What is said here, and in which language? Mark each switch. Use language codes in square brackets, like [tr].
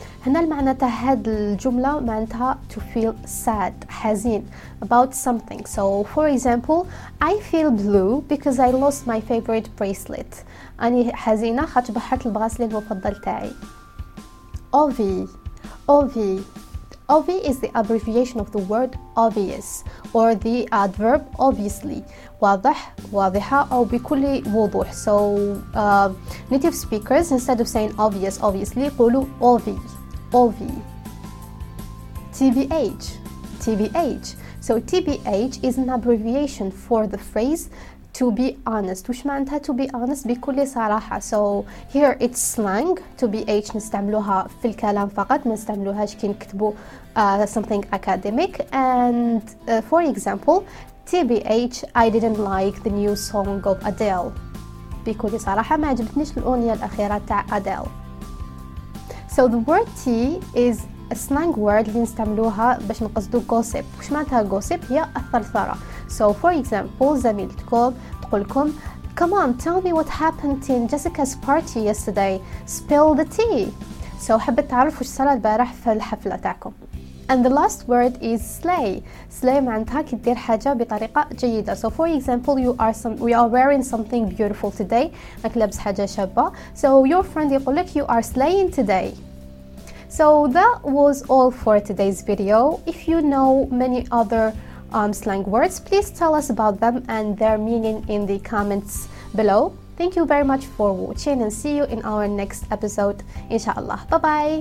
[ar] هنا المعنى تاع هاد الجملة معناتها [en] to feel sad, [ar] حزين [en] about something. So, for example, I feel blue because I lost my favorite bracelet. [ar] أنا حزينة خاطر بحرت البراسلي المفضل تاعي. [en] Ovi. Ovi. Ovi is the abbreviation of the word obvious or the adverb obviously. [ar] واضح, واضحة أو بكل وضوح. [en] So native speakers, instead of saying obvious, obviously, [ar] قولوا [en] Ovi. Ovi. TBH. TBH. So TBH is an abbreviation for the phrase to be honest. [ar] وش معناتها [en] to be honest [ar] بكل صراحة. [en] So here it's slang. [ar] TBH نستعملوها في الكلام فقط, ما نستعملوهاش كي نكتبو [en] something academic. And for example, TBH, I didn't like the new song of Adele. [ar] بكل صراحة ما عجبتنيش الأغنية الأخيرة تاع Adele. [en] So the word tea is a slang word [ar] اللي نستعملوها باش نقصدو [en] gossip. [ar] وش معناتها gossip؟ هي الثرثرة. [en] So for example, [ar] زميلتكم تقولكم [en] come on, tell me what happened in Jessica's party yesterday. Spill the tea. So [ar] حبيت تعرف وش صار البارح في الحفلة تاعكم. [en] And the last word is slay. [ar] Slay معناتها كي دير حاجة بطريقة جيدة. [en] So for example, we are wearing something beautiful today. [ar] راك لابس حاجة شابة. [en] So your friend [ar] يقول لك [en] you are slaying today. So that was all for today's video. If you know many other slang words, please tell us about them and their meaning in the comments below. Thank you very much for watching and see you in our next episode, inshallah. Bye bye.